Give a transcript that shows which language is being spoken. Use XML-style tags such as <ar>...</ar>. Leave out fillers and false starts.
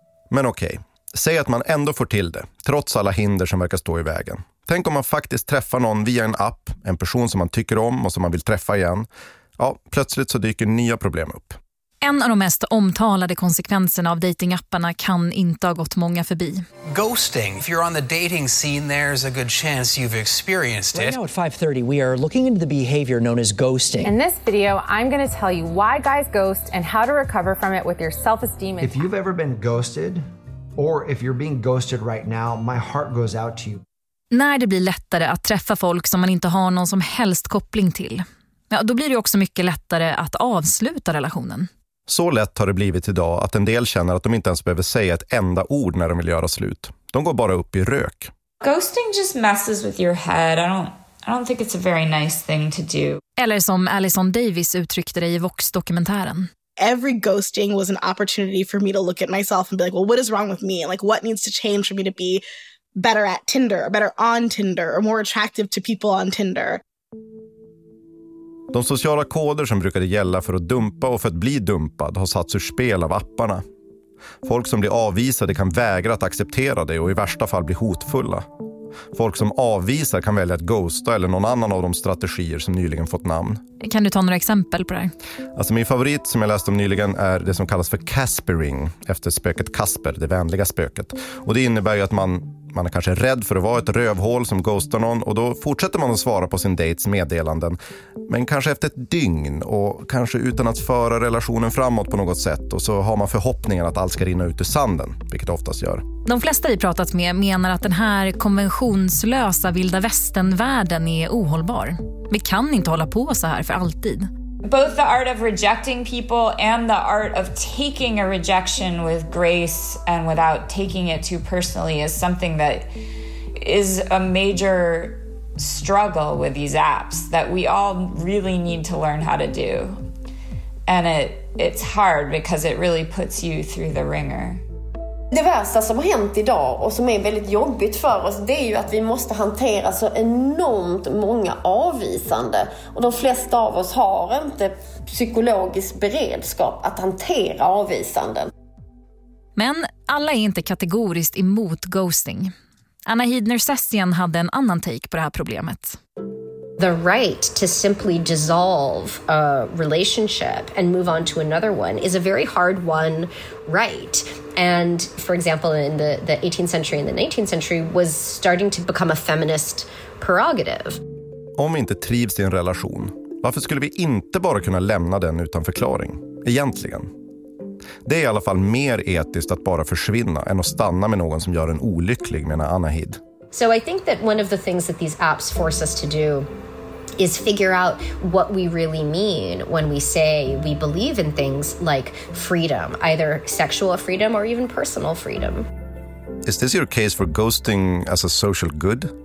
<sv>Men okej, säg att man ändå får till det, trots alla hinder som verkar stå i vägen. Tänk om man faktiskt träffar någon via en app, en person som man tycker om och som man vill träffa igen. Ja, plötsligt så dyker nya problem upp. En av de mest omtalade konsekvenserna av datingapparna kan inte ha gått många förbi. Ghosting.</sv> <en>If you're on the dating scene, there's a good chance you've experienced it. Right now at 5:30, we are looking into the behavior known as ghosting. In this video, I'm going to tell you why guys ghost and how to recover from it with your self-esteem. If you've ever been ghosted, or if you're being ghosted right now, my heart goes out to you.</en> <sv>När det blir lättare att träffa folk som man inte har någon som helst koppling till, ja, då blir det också mycket lättare att avsluta relationen. Så lätt har det blivit idag att en del känner att de inte ens behöver säga ett enda ord när de vill göra slut. De går bara upp i rök.</sv> <en>Ghosting just messes with your head. I don't think it's a very nice thing to do.</en> <sv>Eller som Alison Davis uttryckte det i Vox-dokumentären.</sv> <en>Every ghosting was an opportunity for me to look at myself and be like, well, what is wrong with me? Like, what needs to change for me to be better at Tinder, or better on Tinder, or more attractive to people on Tinder?</en> <sv>De sociala koder som brukade gälla för att dumpa och för att bli dumpad har satts ur spel av apparna. Folk som blir avvisade kan vägra att acceptera det och i värsta fall bli hotfulla. Folk som avvisar kan välja att ghosta eller någon annan av de strategier som nyligen fått namn. Kan du ta några exempel på det? Alltså min favorit som jag läste om nyligen är det som kallas för Caspering, efter spöket Casper, det vänliga spöket. Och det innebär ju att man är kanske rädd för att vara ett rövhål som ghostar någon, och då fortsätter man att svara på sin dates meddelanden. Men kanske efter ett dygn, och kanske utan att föra relationen framåt på något sätt, och så har man förhoppningen att allt ska rinna ut i sanden, vilket oftast gör. De flesta vi pratat med menar att den här konventionslösa vilda västern-världen är ohållbar. Vi kan inte hålla på så här för alltid.</sv> <en>Both the art of rejecting people and the art of taking a rejection with grace and without taking it too personally is something that is a major struggle with these apps that we all really need to learn how to do. And it's hard because it really puts you through the ringer.</en> <sv>Det värsta som har hänt idag och som är väldigt jobbigt för oss, det är ju att vi måste hantera så enormt många avvisande. Och de flesta av oss har inte psykologisk beredskap att hantera avvisanden. Men alla är inte kategoriskt emot ghosting. Anna Hidner-Sessian hade en annan take på det här problemet.</sv> <en>The right to simply dissolve a relationship and move on to another one is a very hard won right. And for example, in the 18th century and the 19th century was starting to become a feminist prerogative.</en> <sv>Om vi inte trivs i en relation, varför skulle vi inte bara kunna lämna den utan förklaring, egentligen? Det är i alla fall mer etiskt att bara försvinna än att stanna med någon som gör en olycklig, menar Anna Hid.</sv> <en>So I think that one of the things that these apps force us to do is figure out what we really mean when we say we believe in things like freedom, either sexual freedom or even personal freedom. Is this your case for ghosting as a social good?</en>